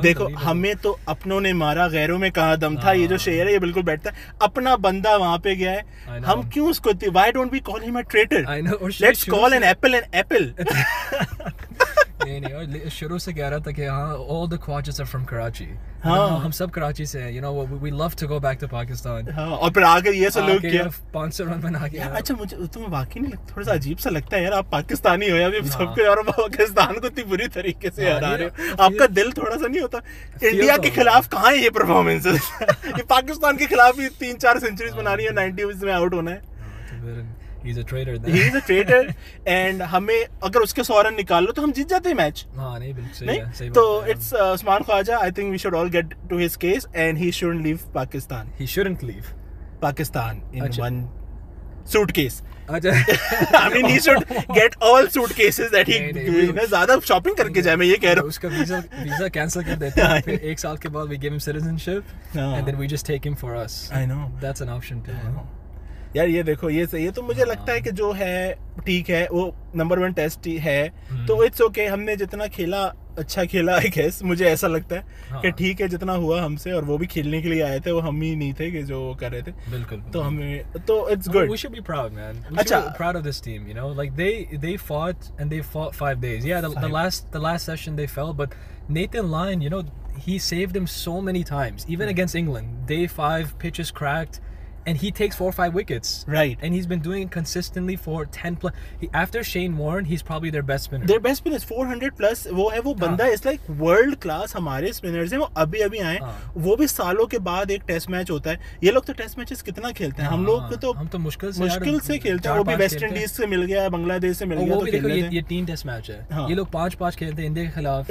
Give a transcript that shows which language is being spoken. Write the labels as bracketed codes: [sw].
[hi] देखो हमें तो अपनों ने मारा, गैरों में कहां दम था. ये जो शेयर है ये बिल्कुल बैठता है. अपना बंदा वहां पे गया है, हम क्यों उसको, [en] Why don't we call him a traitor? Let's call an apple an apple. [hi] शुरू से कह रहा था कि हाँ [en] all the quadras are from Karachi. [hi] हम सब कराची से हैं, [en] you know, we love to go back to Pakistan. [hi] हाँ, और फिर आकर ये सब लोग किया 500 रन बना गया. अच्छा, मुझे तुम्हें वाकई नहीं थोड़ा सा अजीब सा लगता है यार, आप पाकिस्तानी हो, अभी सबको यार पाकिस्तान को इतनी बुरी तरीके से हरा रहे हो, आपका दिल थोड़ा सा नहीं होता? इंडिया के खिलाफ कहाँ है ये परफॉर्मेंस, ये पाकिस्तान के खिलाफ ही 3-4 सेंचुरी बना रही है, 90 ओवर्स में आउट होना है. [en] He's a traitor. He's a traitor. [hi] And हमें अगर उसके 100 रन निकाल लो तो हम जीत जाते हैं मैच. हाँ, नहीं बिल्कुल सही है. [en] तो it's Usman Khawaja. I think we should all get to his case and he shouldn't leave Pakistan. He shouldn't leave Pakistan in one suitcase. [hi] अच्छा. [en] I mean he should get all suitcases that he [hi] ने ज़्यादा shopping करके जाए, मैं ये कह रहा हूँ. उसका visa cancel कर देते हैं. फिर एक साल के बाद [en] we give him citizenship and then we just take him for us. I know. That's an option too. [hi] यार ये देखो, ये सही है. तो मुझे लगता है कि जो है ठीक है, वो नंबर वन टेस्ट ही है. तो [en] it's okay, [hi] हमने जितना खेला अच्छा खेला, [en] I guess [hi] मुझे ऐसा लगता है कि ठीक है जितना हुआ हमसे, और वो भी खेलने के लिए आए थे, वो हम ही नहीं थे कि जो कर रहे थे. बिल्कुल. तो हमें तो [en] It's good, we should be proud man. अच्छा, proud of this team, you know, like they fought and they fought 5 days. या the last session they fell, but Nathan Lyon, you know, he saved them so many times, even against England. Day 5 pitches cracked and he takes 4 or 5 wickets, right? And he's been doing it consistently for 10 plus. After Shane Warne, he's probably their best spinner. Their best spinner is 400 plus. [hi] वो है, वो बंदा [en] is like world class. [hi] हमारे spinners हैं, वो अभी अभी आए, वो भी सालों के बाद एक test match होता है. ये लोग तो test matches कितना खेलते हैं, हम लोग तो मुश्किल से खेलते हैं. वो भी West Indies से मिल गया, बांग्लादेश से मिल गया, तो खेलते हैं. ये 3 test match है. ये लोग 5-5 खेलते हैं, इंडिया के खिलाफ,